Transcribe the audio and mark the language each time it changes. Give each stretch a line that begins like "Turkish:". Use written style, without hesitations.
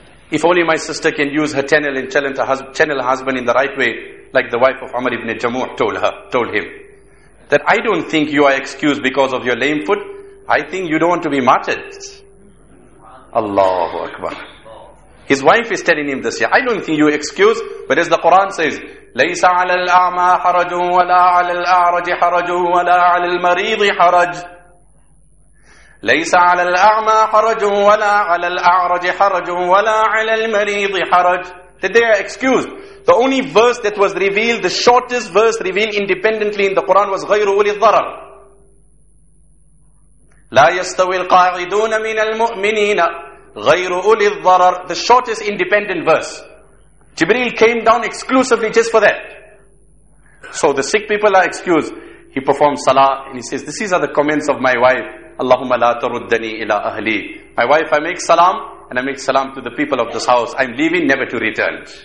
English: If only my sister can use her channel and channel her husband in the right way, like the wife of Amr ibn Jamu' told him, that I don't think you are excused because of your lame foot. I think you don't want to be martyred. Allahu Akbar. His wife is telling him this here. I don't think you are excused, but as the Quran says,
Arabic: لَيْسَ عَلَى الْأَعْمَى حَرَجٌ وَلَا عَلَى الْأَعْرَجِ حَرَجٌ وَلَا عَلَى الْمَرِيضِ حَرَجٌ. ليس على الأعمى حرج ولا على الأعرج حرج ولا على المريض حرج.
English: That they are excused. The only verse that was revealed, the shortest verse revealed independently in the Quran, was
Arabic: غير أولي الضرر. لا يستوي القاعدون من المؤمنين غير أولي الضرر.
English: The shortest independent verse. Jibreel came down exclusively just for that. So the sick people are excused. He performs salah and he says, these are the comments of my wife.
Arabic: Allahumma la taruddani ila ahli.
English: My wife, I make salam, and I make salam to the people of this house. I'm leaving, never to return.